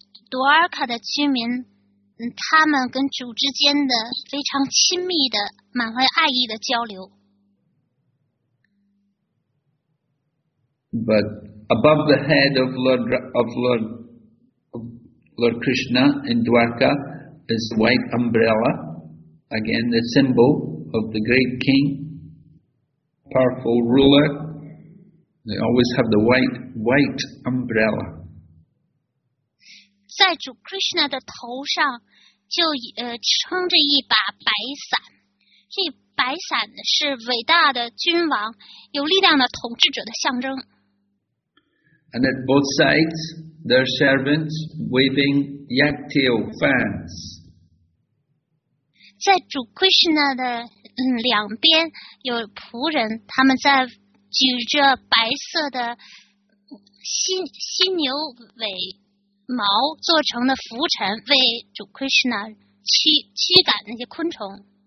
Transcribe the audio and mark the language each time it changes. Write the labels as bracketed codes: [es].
[zh] 多尔卡的居民，他们跟主之间的非常亲密的、满怀爱意的交流。 [en] But above the head of Lord Krishna in Dwarka is a white umbrella, again the symbol of the great king, powerful ruler. They always have the white umbrella. [zh] 在主 Krishna 的头上就撑着一把白伞，这白伞是伟大的君王、有力量的统治者的象征。 [en] And at both sides, there are servants waving yak-tail fans. [zh] 在主 Krishna 的两边有仆人，他们在举着白色的犀牛尾毛做成的拂尘，为主 Krishna 驱赶那些昆虫。